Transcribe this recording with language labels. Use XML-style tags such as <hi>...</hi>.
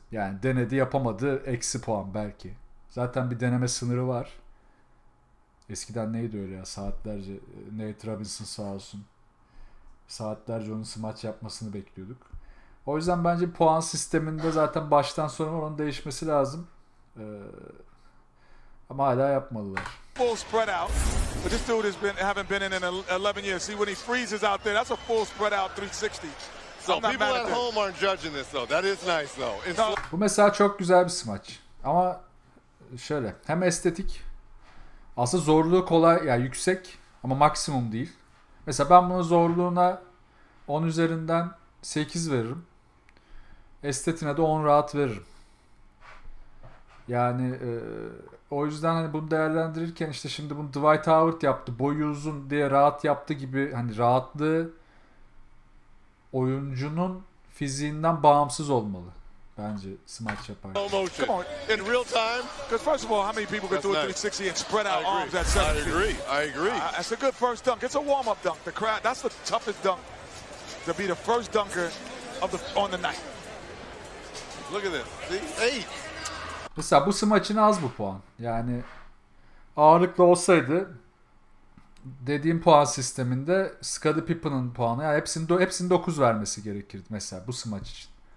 <tr>Yani denedi yapamadı, eksi puan belki. Zaten bir deneme sınırı var. Eskiden neydi öyle ya, saatlerce Nate Robinson sağ olsun. Saatlerce onun smaç yapmasını bekliyorduk. O yüzden bence puan sisteminde zaten baştan sona onun değişmesi lazım. Ama hala yapmadılar.</tr> <en>Full spread out. But this dude has been haven't been in 11 years. See when he freezes out there, that's a full spread out 360. So people at home aren't judging this though. That is nice though.</en> <tr>Bu mesela çok güzel bir smaç. Ama şöyle, hem estetik, aslında zorluğu kolay ya yani yüksek ama maksimum değil. Mesela ben bunun zorluğuna 10 üzerinden 8 veririm. Estetine de 10 rahat veririm. Yani o yüzden hani bunu değerlendirirken işte şimdi bunu Dwight Howard yaptı. Boyu uzun diye rahat yaptı gibi hani rahatlığı oyuncunun fiziğinden bağımsız olmalı. Bence smaç yapar.</tr> <en>Come on. In real time. Because first of all, how many people can do a 360 and spread out arms at 7 feet? I agree. That's a good first dunk. It's a warm-up dunk. The crowd, that's the toughest dunk to be the first dunker of the on the night. Look at this. See? Eight.</en> <tr>Mesela bu smaçın az bu puan. Yani ağırlıklı olsaydı dediğim puan sisteminde Scottie Pippen'ın puanı yani hepsini 9 vermesi gerekirdi mesela bu smaç için.</tr>